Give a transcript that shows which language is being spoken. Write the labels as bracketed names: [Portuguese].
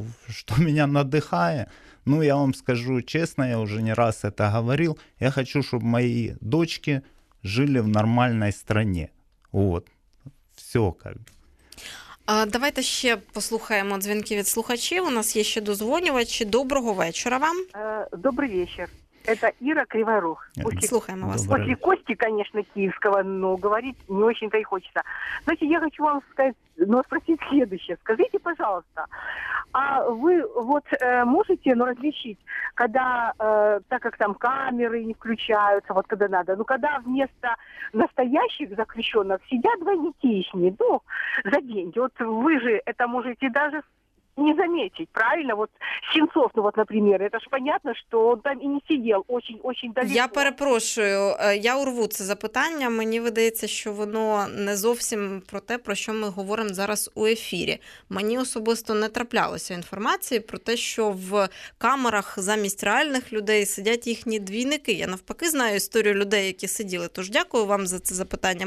[Russian] Что меня надыхает? Ну, я вам скажу честно, я уже не раз это говорил, я хочу, чтобы мои дочки жили в нормальной стране. Вот. Все как бы. [Ukrainian] Давайте ще послухаємо дзвінки від слухачів. У нас є ще дозвонювачі. Доброго вечора вам. Добрий вечір. [Russian] Это Ира Криворух. [Ukrainian] Слухаємо вас. [Russian] После Кости, конечно, Киевского, но говорить не очень-то и хочется. Значит, я хочу вам сказать, спросить следующее. Скажите, пожалуйста, а вы вот можете различить, когда, так как там камеры не включаются, вот когда надо, когда вместо настоящих заключенных сидят двойники с ними, за деньги. Вот вы же это можете даже... не заметить, правильно? Вот Сенцов, например, это ж понятно, что он там и не сидел очень-очень далеко. [Ukrainian] Я перепрошую, я урву це запитання, мені видається, що воно не зовсім про те, про що ми говоримо зараз у ефірі. Мені особисто не траплялося інформації про те, що в камерах замість реальних людей сидять їхні двійники. Я навпаки знаю історію людей, які сиділи. Тож дякую вам за це запитання.